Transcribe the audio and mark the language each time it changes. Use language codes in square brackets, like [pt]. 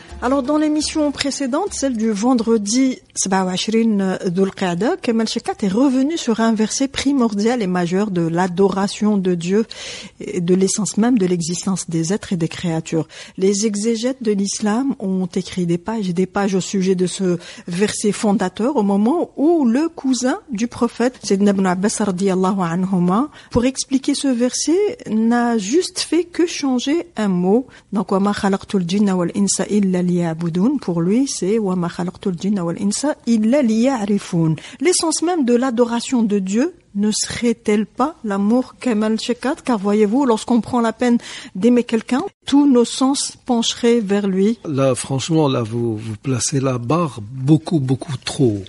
[fr] Alors, dans l'émission précédente, celle du vendredi 27 Dhul-Qa'dah, Kamel Shekat est revenu sur un verset primordial et majeur de l'adoration de Dieu et de l'essence même de l'existence des êtres et des créatures. Les exégètes de l'islam ont écrit des pages et des pages au sujet de ce verset fondateur au moment où le cousin du prophète, Sayyidina Ibn Abbas radiyallahu anhuma, pour expliquer ce verset, n'a juste fait que changer un mot. [ar] Donc, وَمَا خَلَقْتُ الْجِنَّ وَالْإِنْسَ إِلَّا لِيَعْبُدُونَ. [fr] Pour lui, c'est [ar] وَمَا خَلَقْتُ الْجِنَّ وَالْإِنْسَ [fr] L'essence même de l'adoration de Dieu ne serait-elle pas l'amour, Kamel Shekat? Car voyez-vous, lorsqu'on prend la peine d'aimer quelqu'un, tous nos sens pencheraient vers lui. Là, franchement, là, vous placez la barre beaucoup, beaucoup trop.